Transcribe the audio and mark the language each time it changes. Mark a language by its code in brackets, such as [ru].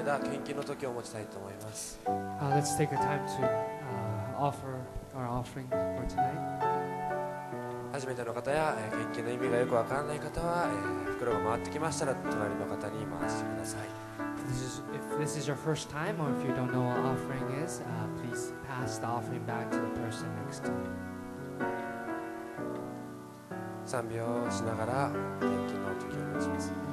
[ja] 献金の時を持ちたいと思います。 [en] Let's take a time to offer our offering for tonight. [ja] 初めての方や献金の意味がよくわからない方は、袋が回ってきましたら隣の方に回してください。 [en] If this is your first time or if you don't know what offering is, please pass the offering back to the person next to you. [ja] 賛美をしながら献金の時を持ちます。